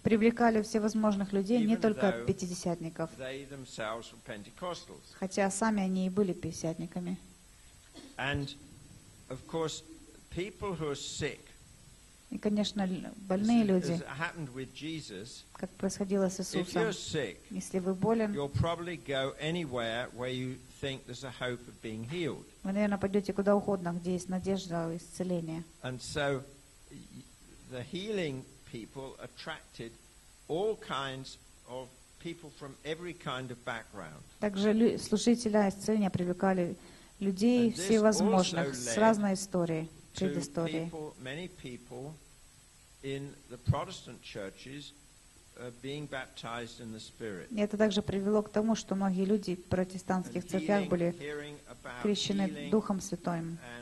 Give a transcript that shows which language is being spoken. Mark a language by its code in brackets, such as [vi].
[ru] Привлекали всевозможных людей, не только пятидесятников. [en] They themselves were Pentecostals. [ru] Хотя сами они и были пятидесятниками. [en] And of course, people who are sick. [ru] И, конечно, больные люди. [en] As happened with Jesus. [ru] Как происходило с Иисусом. [en] If you're sick, [ru] если вы болен, [en] you'll probably go anywhere where you think there's a hope of being healed. [ru] Вы, наверное, пойдете куда угодно, где есть надежда исцеления. [en] And so the healing people attracted all kinds of people from every kind of background. [ru] Также служители исцеления привлекали людей всевозможных с разной историей, предысторией. [en] Many people in the Protestant churches being baptized in the Spirit. [ru] Это также привело к тому, что многие люди в протестантских церквях были крещены Духом Святым.